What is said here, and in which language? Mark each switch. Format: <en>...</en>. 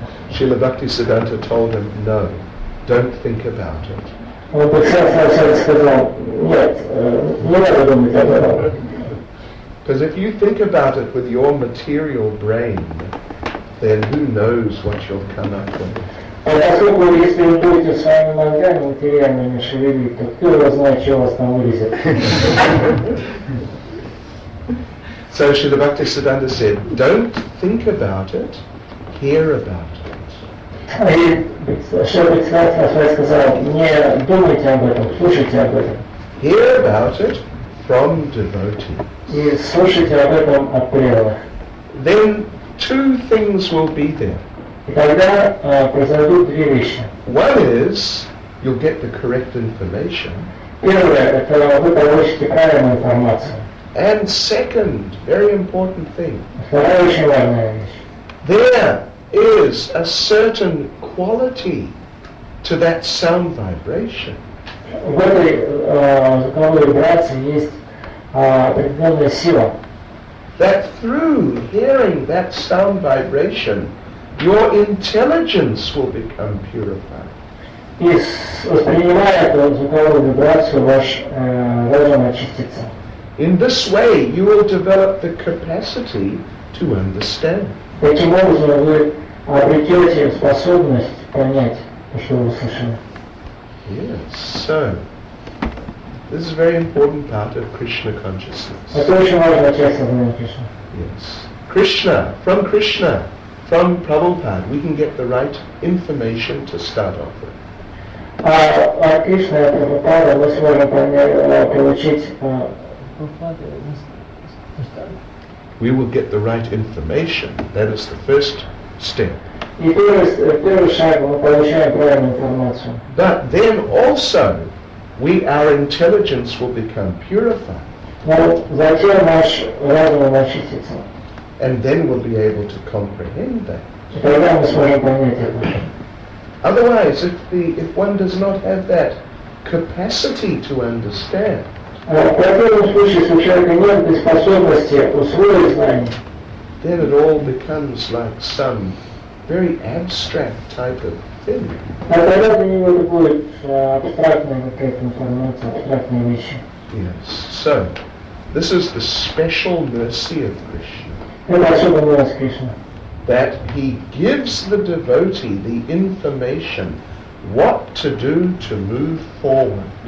<en>Srila Bhakti Siddhanta told him, no, don't think about it. Because if you think about it with your material brain, then who knows what you'll come up with.</en> <ru>А поскольку если вы будете своими мозгами материальными шевелить, то кто его знает, что у вас там вылезет?</ru> <en>So Srila Bhakti Siddhanta said, don't think about it, hear about it.</en> <ru>Не думайте об этом, слушайте об этом.</ru> <en>Hear about it from devotees.</en> <ru>И слушайте об этом от преданных.</ru> <en>Then two things will be there.</en> <ru>И тогда произойдут две вещи.</ru> <en>One is, you'll get the correct information.</en> <ru>Первое, это вы получите правильную информацию.</ru> <en>And second, very important thing.</en> <ru>Вторая очень важная вещь.</ru> <en>There is a certain quality to that sound vibration.</en> <ru>В этой звуковой вибрации есть определенная сила.</ru> <en>That through hearing that sound vibration, your intelligence will become purified.</en> <ru>И воспринимая эту звуковую вибрацию, ваш разум очистится.</ru> <en>In this way, you will develop the capacity to understand.</en> <ru>Таким образом, вы обретете способность понять то, что вы слышали.</ru> <en>Yes, so, this is a very important part of Krishna consciousness.</en> <ru>Это очень важная часть сознания Кришны.</ru> <en>Yes. Krishna, from Prabhupada, we can get the right information to start off with.</en> <ru>От Кришны, от Прабхупады, мы сможем</ru> <en>We will get the right information. That is the first step.</en> <ru>И первый шаг, мы получаем правильную информацию.</ru> <en>But then also, our intelligence will become purified.</en> <ru>Но затем наш разум очистится.</ru> <en>And then we'll be able to comprehend that.</en> <ru>Тогда мы сможем понять это.</ru> <en>Otherwise, if one does not have that capacity to understand.</en> <ru>В противном случае, если у человека нет этой способности усвоить знания,</ru> <en>then it all becomes like some very abstract type of thing.</en> <ru>Тогда для него это будет абстрактная какая-то информация, абстрактные вещи.</ru> <en>Yes. So, this is the special mercy of Krishna. That he gives the devotee the information what to do to move forward.</en>